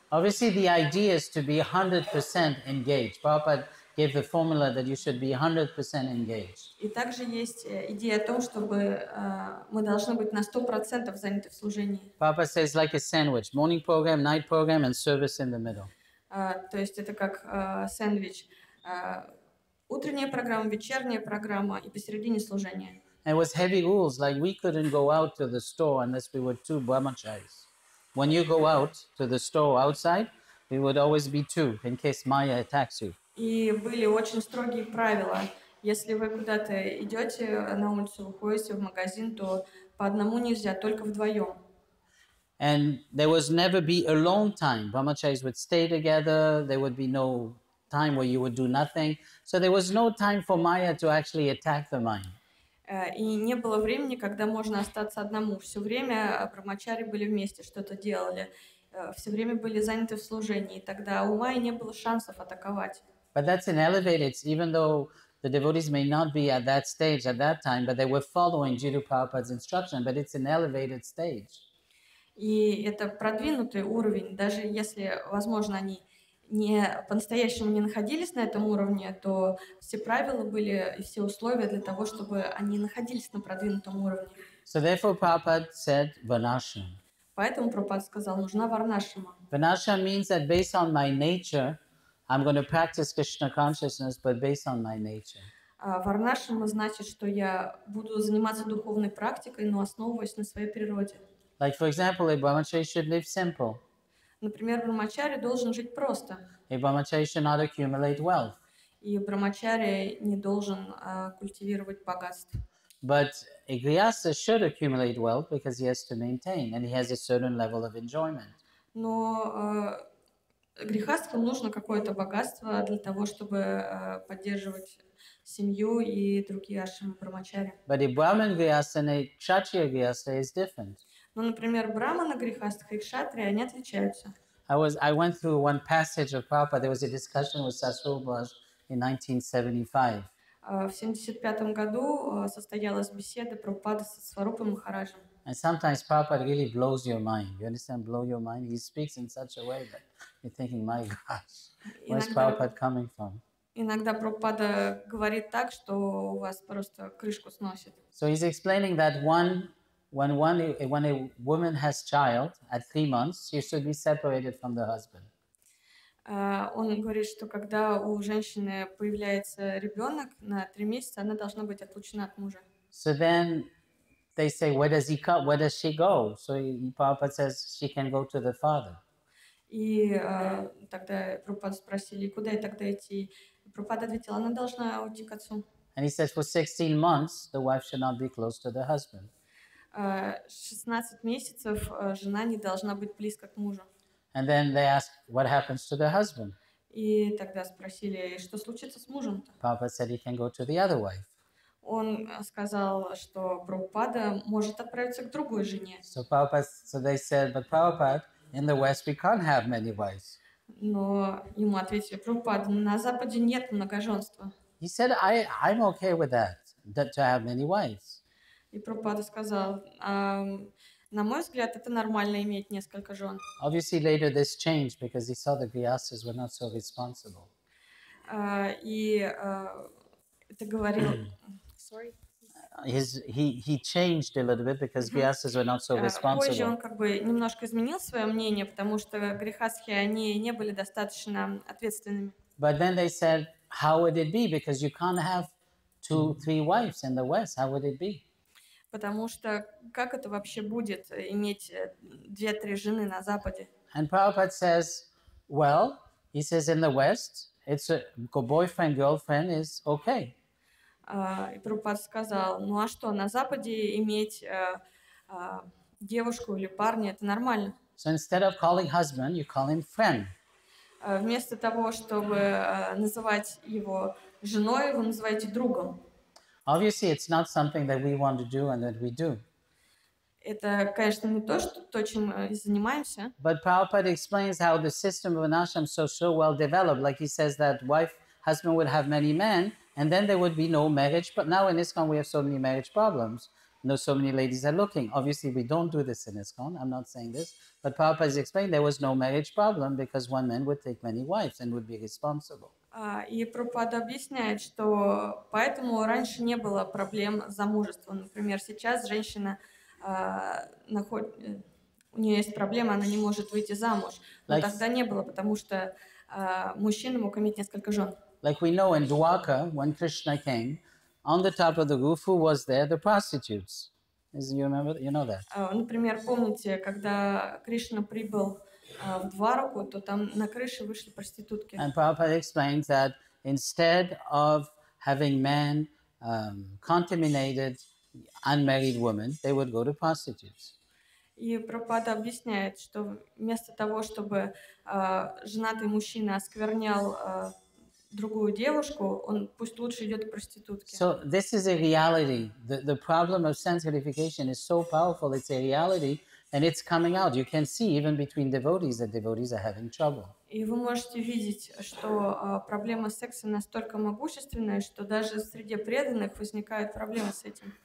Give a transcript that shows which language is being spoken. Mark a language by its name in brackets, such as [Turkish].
[English] Obviously, the idea is to be 100% engaged. Prabhupada gave the formula that you should be 100% engaged. [Russian] И также есть идея о том, чтобы мы должны быть на 100% заняты в служении. [English] Prabhupada says like a sandwich: morning program, night program, and service in the middle. [Russian] То есть это как сэндвич. Утренняя программа, вечерняя программа и посередине служения. [English] And it was heavy rules, like we couldn't go out to the store unless we were two brahmacharis. When you go out to the store outside, we would always be two, in case Maya attacks you. [Russian] И были очень строгие правила. Если вы куда-то идете на улицу, выходите в магазин, то по одному нельзя, только вдвоем. [English] And there was never be alone time. Brahmacharis would stay together, there would be no time where you would do nothing. So there was no time for Maya to actually attack the mind. [Russian] И не было времени, когда можно остаться одному. Все время брахмачари были вместе, что-то делали. Все время были заняты в служении. И тогда у Майи не было шансов атаковать. [English] But that's an elevated, even though the devotees may not be at that stage at that time, but they were following Jiddu Prabhupada's instruction, but it's an elevated stage. [Russian] И это продвинутый уровень, даже если, возможно, они не по-настоящему не находились на этом уровне, то все правила были и все условия для того, чтобы они находились на продвинутом уровне. [English] So therefore Prabhupada said Varnashram. [Russian] Поэтому Прабхупада сказал, нужна Варнашрама. [English] Varnashram means that based on my nature, I'm going to practice Krishna consciousness, but based on my nature. [Russian] Варнашрама значит, что я буду заниматься духовной практикой, но основываясь на своей природе. [English] Like for example, a brahmachari should live simple. [Russian] Например, брахмачари должен жить просто. [English] A brahmachari should not accumulate wealth. [Russian] И брахмачари не должен культивировать богатство. [English] But a grihastha should accumulate wealth because he has to maintain and he has a certain level of enjoyment. [Russian] Но грихастху нужно какое-то богатство для того, чтобы поддерживать семью и другие ашрамы брахмачари. [English] But a brahman grihastha and a kshatriya grihastha is different. [Russian] Ну, например, брахмана грихастха и кшатрия, они отличаются. [English] I went through one passage of Prabhupada. There was a discussion with Sasrul Bhaj in 1975. [Russian] В 75 году состоялась беседа Прабхупады со Сварупой Махараджем. [English] And sometimes Prabhupada really blows your mind. You understand, blow your mind? He speaks in such a way that you're thinking, my gosh, where's Prabhupada coming from? [Russian] Иногда Прабхупада говорит так, что у вас просто крышку сносит. [English] So he's explaining that one... When a woman has child at 3 months, she should be separated from the husband. [Russian] Он говорит, что когда у женщины появляется ребенок на 3 месяца, она должна быть отлучена от мужа. [English] So then they say, where does he go? Where does she go? So Prabhupada says she can go to the father. [Russian] И тогда Прабхупада спросили, куда ей тогда идти? Прабхупада ответил, она должна уйти к отцу. [English] And he says, for 16 months, the wife should not be close to the husband. [Russian] 16 месяцев жена не должна быть близко к мужу. [English] And then they ask, what happens to the husband? [Russian] И тогда спросили, что случится с мужем-то? [English] Prabhupada said he can go to the other wife. [Russian] Он сказал, что Прабхупада может отправиться к другой жене. [English] So Prabhupada, so they said, but Prabhupada, in the West we can't have many wives. [Russian] Но ему ответили, Прабхупада, на Западе нет многоженства. [English] He said, I'm okay with that to have many wives. [Russian] И Прабхупада сказал, на мой взгляд, это нормально иметь несколько жен. [English] Obviously, later this changed because he saw the grihasthas were not so responsible. [Russian] И это говорил... [English] Sorry. he changed a little bit because Vyasas were not so responsible. [Russian] Позже он как бы немножко изменил свое мнение, потому что грехасхи они не были достаточно ответственными. [English] But then they said, how would it be? Because you can't have two, three wives in the West. How would it be? [Russian] Потому что как это вообще будет иметь две-три жены на Западе? [English] And Prabhupada says, well, he says in the West, it's a boyfriend, girlfriend is okay. [Russian] И Прабхупада сказал, ну а что, на Западе иметь девушку или парня, это нормально. [English] So instead of calling husband, you call him friend. [Russian] Вместо того, чтобы называть его женой, вы называете другом. [English] Obviously, it's not something that we want to do and that we do. [Russian] Это, конечно, не то, что, то, чем мы занимаемся. [English] But Prabhupada explains how the system of an ashram is so well developed. Like he says that wife, husband would have many men, and then there would be no marriage. But now in ISKCON we have so many marriage problems. No, so many ladies are looking. Obviously, we don't do this in ISKCON. I'm not saying this. But Prabhupada has explained there was no marriage problem because one man would take many wives and would be responsible. [Russian] И Прабхупада объясняет, что поэтому раньше не было проблем с замужеством. Например, сейчас женщина у нее есть проблема, она не может выйти замуж. Но like, тогда не было, потому что мужчина мог иметь несколько жен. [English] Like we know in Dwarka, when Krishna came, on the top of the roof, who was there? The prostitutes. As you remember, you know that. [Russian] Например, помните, когда Кришна прибыл в Двараку, то там на крыше вышли проститутки. [English] And Prabhupada explains that instead of having men contaminated unmarried women, they would go to prostitutes. [Russian] И Прабхупада объясняет, что вместо того, чтобы женатый мужчина осквернял другую девушку, он пусть лучше идет к проститутке. [English] So this is a reality. The problem of sense gratification is so powerful, it's a reality. And it's coming out. You can see even between devotees that devotees are having trouble. [Russian] И вы можете видеть, что проблема секса настолько могущественная, что даже среди преданных возникают проблемы с этим.